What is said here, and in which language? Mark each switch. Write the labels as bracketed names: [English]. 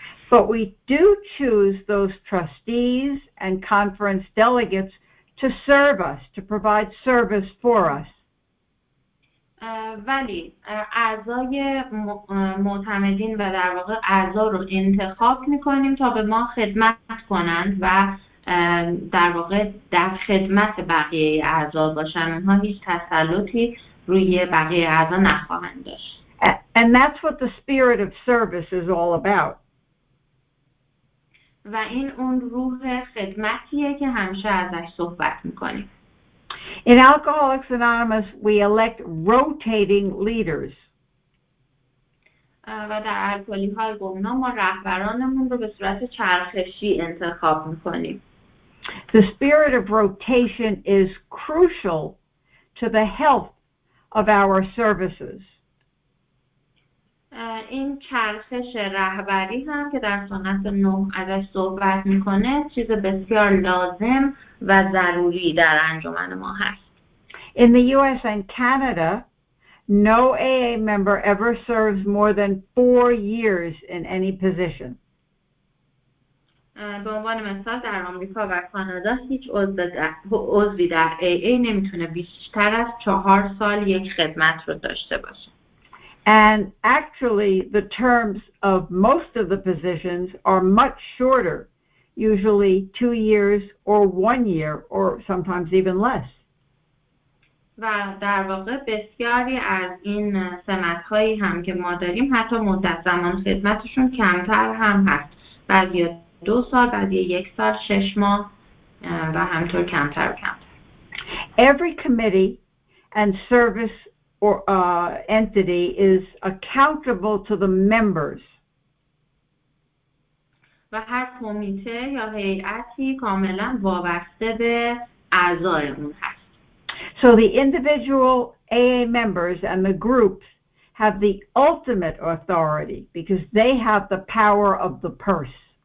[English] But we do choose those trustees and conference delegates to serve us, to provide service for us. [Persian] ولی اعضای معتمدین و در واقع اعضا رو انتخاب میکنیم تا به ما خدمت کنند و در واقع در خدمت بقیه اعضا باشند. اونها هیچ تسلطی روی بقیه اعضا نخواهند داشت. [English] And that's what the spirit of service is all about. [Persian] و این اون روح خدمتیه که همیشه ازش صحبت میکنیم. [English] In Alcoholics Anonymous, we elect rotating leaders. [Persian] و در الکلیهای گمنام ما رهبرانمون رو به صورت چرخشی انتخاب میکنیم. [English] The spirit of rotation is crucial to the health of our services. [Persian] این چرخش رهبری هم که در سنت نو ازش صحبت میکنه چیز بسیار لازم و ضروری در انجمن ما هست. [English] In the US and Canada, no AA member ever serves more than 4 years in any position. [Persian] به عنوان مثال در آمریکا و کانادا هیچ عضوی در AA نمیتونه بیشتر از 4 سال یک خدمت رو داشته باشه. [English] And actually, the terms of most of the positions are much shorter, usually 2 years or 1 year or sometimes even less. [Persian] و در واقع بسیاری از این سمت‌هایی هم که ما داریم حتی مدت زمان خدمتشون کمتر هم هست. بعضی 2 سال، بعضی 1 سال، 6 ماه و همطور کمتر و کمتر. [English] Every committee and service or entity is accountable to the members. [Persian] و هر کمیته یا هیئتی کاملا وابسته به اعضای اون هست. [English] So the individual AA members and the groups have the ultimate authority because they have the power of the purse.